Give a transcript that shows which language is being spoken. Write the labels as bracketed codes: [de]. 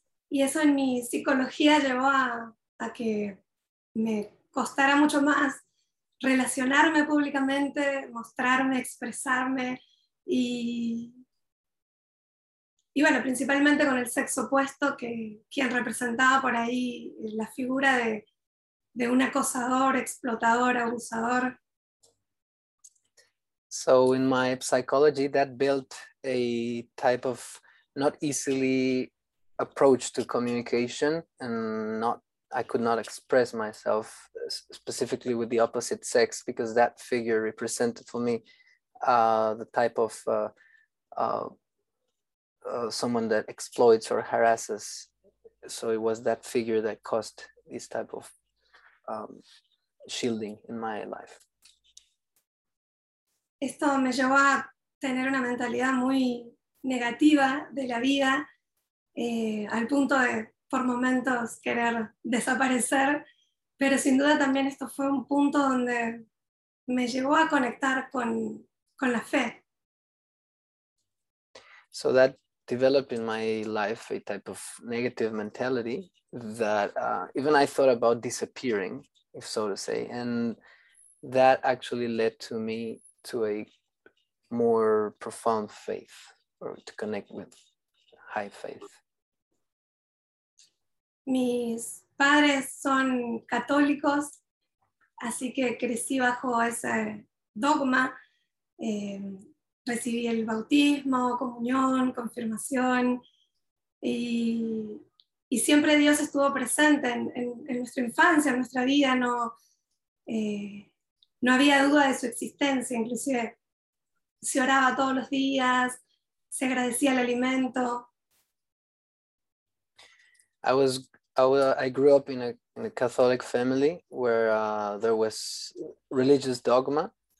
[es] Y eso en mi psicología llevó a que me costara mucho más relacionarme públicamente, mostrarme, expresarme. Y bueno, principalmente con el sexo opuesto, que quien representaba por ahí la figura de un acosador, explotador, abusador. [en] So in my psychology, that built a type of not easily approach to communication, and I could not express myself specifically with the opposite sex, because that figure represented for me the type of someone that exploits or harasses. So it was that figure that caused this type of shielding in my life. [es] Esto me llevó a tener una mentalidad muy negativa de la vida, al punto de por momentos querer desaparecer, pero sin duda también esto fue un punto donde me llevó a conectar con la fe. [en] So that developed in my life a type of negative mentality that even I thought about disappearing, if so to say. And that actually led to me to a more profound faith, or to connect with high faith. [es] Mis padres son católicos, así que crecí bajo ese dogma. Recibí el bautismo, comunión, confirmación, y siempre Dios estuvo presente en nuestra infancia, en nuestra vida. No había duda de su existencia. Inclusive se oraba todos los días, se agradecía el alimento. [en] I grew up in a Catholic family where there was religious dogma.